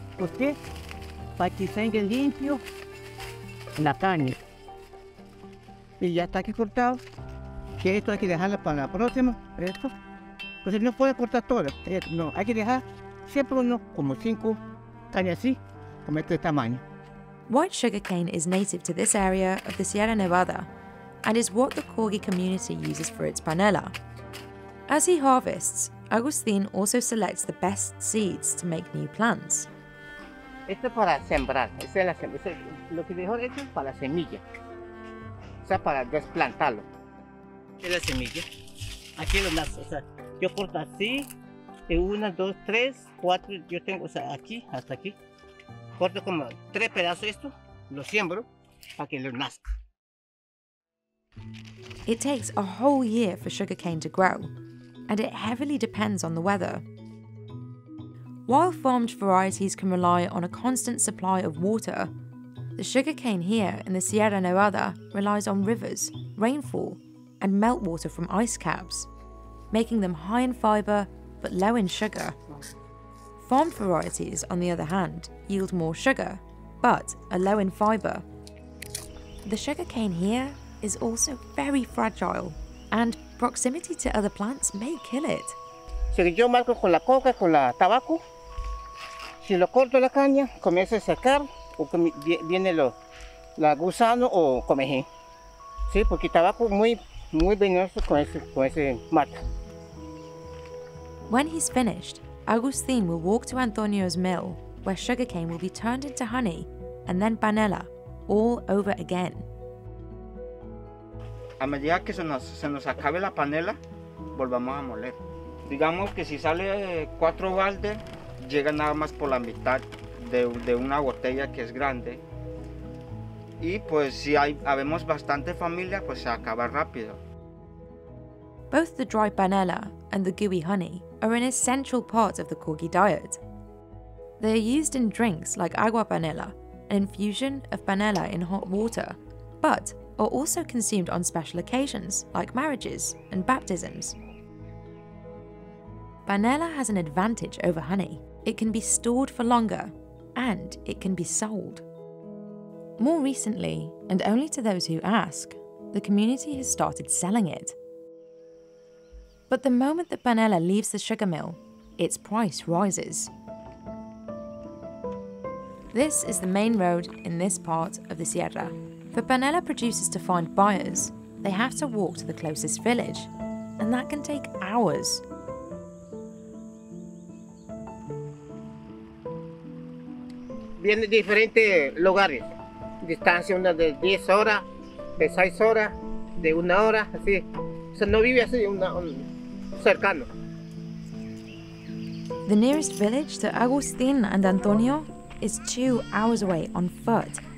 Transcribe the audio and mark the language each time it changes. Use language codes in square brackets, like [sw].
[es] Usted, para que salga limpio la caña. Y ya está aquí cortado. Que esto hay que dejarlo para la próxima. Esto. Pues no puede cortar todo. Esto, no, hay que dejar siempre uno, como 5 cañas así, como este tamaño. [en] White sugar cane is native to this area of the Sierra Nevada, and is what the Corgi community uses for its panela. As he harvests, Agustin also selects the best seeds to make new plants. [es] Esto es para sembrar, esto es la semilla. Lo que mejor es para la semilla. O sea, para desplantarlo. Es la semilla. Aquí lo más, o sea, yo corto así, 1, 2, 3, 4, yo tengo, o sea, aquí, hasta aquí. Corto como 3 pedazos esto, lo siembro, para que lo nazca. [en] It takes a whole year for sugarcane to grow, and it heavily depends on the weather. While farmed varieties can rely on a constant supply of water, the sugarcane here in the Sierra Nevada relies on rivers, rainfall, and meltwater from ice caps, making them high in fiber but low in sugar. Farmed varieties, on the other hand, yield more sugar but are low in fiber. The sugarcane here is also very fragile, and proximity to other plants may kill it. [es] Si yo marco con la coca, con la tabaco, si lo corto la caña, comienza a secar, o viene la gusano o comején. Sí, porque tabaco muy, muy venenoso con ese mata. [en] When he's finished, Agustin will walk to Antonio's mill, where sugarcane will be turned into honey, and then panela, all over again. [es] A medida que se nos acabe la panela, volvamos a moler. Digamos que si sale 4 baldes, llega nada más por la mitad de una botella que es grande. Y pues si habemos bastante familia, pues se acaba rápido. [en] Both the dry panela and the gooey honey are an essential part of the Corgi diet. They are used in drinks like agua panela, an infusion of panela in hot water, but are also consumed on special occasions, like marriages and baptisms. Panela has an advantage over honey. It can be stored for longer, and it can be sold. More recently, and only to those who ask, the community has started selling it. But the moment that panela leaves the sugar mill, its price rises. This is the main road in this part of the Sierra. For Panela producers to find buyers, they have to walk to the closest village, and that can take hours. [es] Viene diferentes lugares, distancia una de 10 horas, de 6 horas, de una hora, así. O sea, no vive así, cercano. [en] The nearest village to Agustín and Antonio is 2 hours away on foot.